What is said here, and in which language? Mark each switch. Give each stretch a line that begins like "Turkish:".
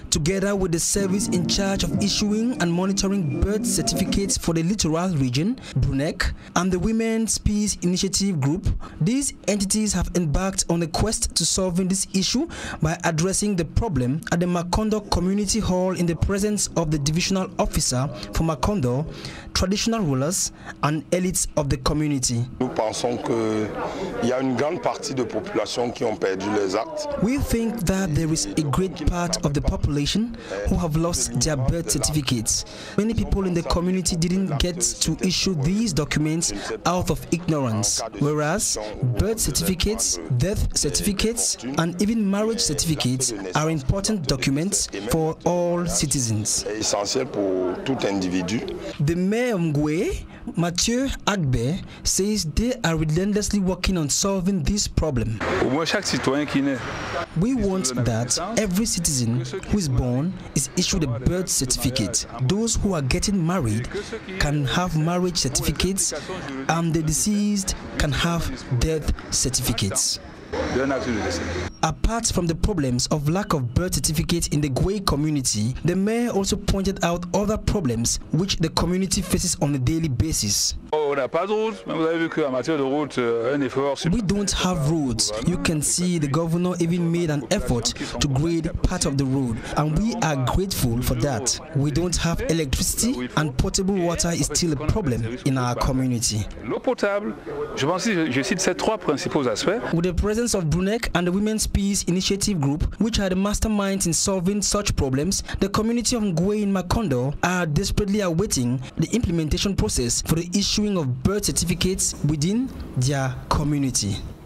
English: Together with the service in charge of issuing and monitoring birth certificates for the Littoral Region, BRUNEC, and the Women's Peace Initiative Group, these entities have embarked on a quest to solving this issue by addressing the problem at the Makondo Community Hall in the presence of the divisional officer for Makondo, traditional rulers and elites of the community.
French: Nous pensons que il y a une grande partie de population qui ont perdu les actes.
English: We think that there is a great part of the population who have lost their birth certificates. Many people in the community didn't get to issue these documents out of ignorance, whereas birth certificates, death certificates and even marriage certificates are important documents for all citizens.
French: Essentiel pour tout individu.
English: The mayor of Ngwe, Mathieu Agbe, says they are relentlessly working on solving this problem. We want that every citizen who is born is issued a birth certificate. Those who are getting married can have marriage certificates, and the deceased can have death certificates. Apart from the problems of lack of birth certificates in the Ngwe community, the mayor also pointed out other problems which the community faces on a daily basis. Oh,
French: on n'a pas de route. Mais vous avez vu qu'en matière de route, un effort.
English: We don't have roads. You can see the governor even made an effort to grade part of the road, and we are grateful for that. We don't have electricity, and potable water is still a problem in our community.
French: L'eau potable, je pense, je cite ces trois principaux aspects.
English: With the presence of Brunec and the Women's Peace Initiative Group, which are the masterminds in solving such problems, the community of Ngwe in Makondo are desperately awaiting the implementation process for the issuing of birth certificates within their community.